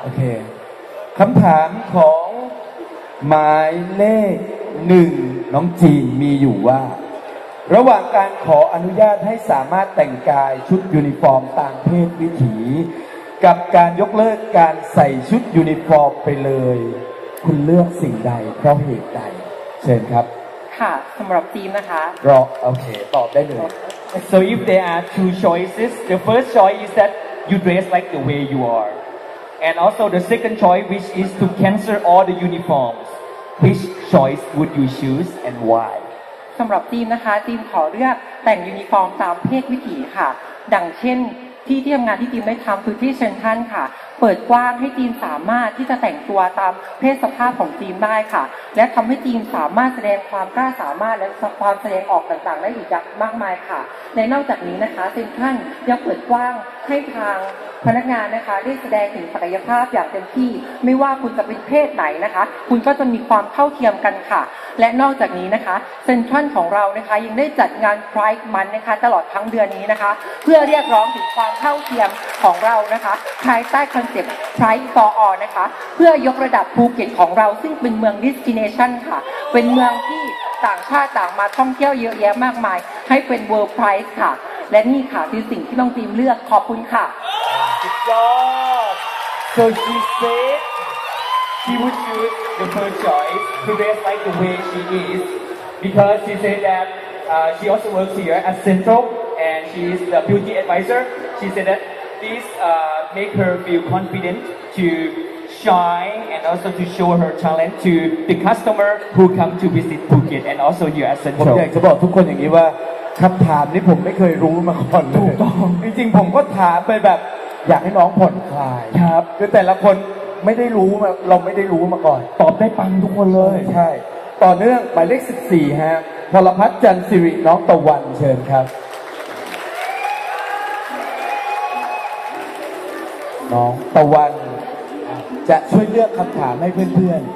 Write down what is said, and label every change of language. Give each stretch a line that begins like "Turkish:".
Thai: โอเคคำถามของหมายเลข1 น้องจีนมีอยู่ว่าระหว่างการขออนุญาตให้สามารถแต่งกายชุดยูนิฟอร์มตามเพศวิถีกับการยกเลิกการใส่ชุดยูนิฟอร์มไปเลยคุณเลือกสิ่งใดเพราะเหตุใดเชิญครับ ค่ะสำหรับจีนนะคะ รอโอเคตอบได้เลย
English: So if there are two choices the first choice is that you dress like the way you areAnd also the second choice, which is to cancel all the uniforms. Which choice would you choose and why?
Thai: สำหรับทีมนะคะทีมขอเลือกแต่งยูนิฟอร์มตามเพศวิถีค่ะดังเช่นที่ทำงานที่ทีมได้ทำคือที่เซ็นทรัลค่ะเปิดกว้างให้ทีมสามารถที่จะแต่งตัวตามเพศสภาพของทีมได้ค่ะและทำให้ทีมสามารถแสดงความกล้าสามารถและความแสดงออกต่างๆได้อีกมากมายค่ะและนอกจากนี้นะคะเซ็นทรัลยังเปิดกว้างให้ทาง พนักงานนะคะได้แสดงถึงศักยภาพอย่างเต็มที่ไม่ว่าคุณจะเป็นเพศไหนนะคะคุณก็จะมีความเท่าเทียมกันค่ะและนอกจากนี้นะคะเซ็นทรัลของเรานะคะยังได้จัดงานไพร์มันนะคะตลอดทั้งเดือนนี้นะคะเพื่อเรียกร้องถึงความเท่าเทียมของเรานะคะภายใต้คอนเซ็ปต์ไพร์ฟอร์ออลนะคะเพื่อยกระดับภูเก็ตของเราซึ่งเป็นเมืองดิสทิเนชันค่ะเป็นเมืองที่ต่างชาติต่างมาท่องเที่ยวเยอะแยะมากมายให้เป็นเวิลด์ไพร์ค่ะและนี่ค่ะคือสิ่งที่น้องทีมเลือกขอบคุณค่ะ
English: So she said she would choose the first choice to dress like the way she is because she said that she also works here at Central, and she is the beauty advisor. She said that this make her feel confident to shine and also to show her talent to the customer who come to visit Phuket and also you at Central.
Thai: ผมอยากจะบอกทุกคนอย่างนี้ว่าคำถามนี้ผมไม่เคยรู้มาก่อนเลย ถูกต้อง จริงๆผมก็ถามไปแบบอยากให้น้องผ่อนคลาย ครับ คือแต่ละคนไม่ได้รู้มาเราไม่ได้รู้มาก่อน ตอบได้ปังทุกคนเลย ใช่ต่อเนื่องหมายเลข14ฮะพลพัฒน์จันทร์สิริน้องตะวันเชิญครับน้องตะวันจะช่วยเลือกคำถามให้เพื่อน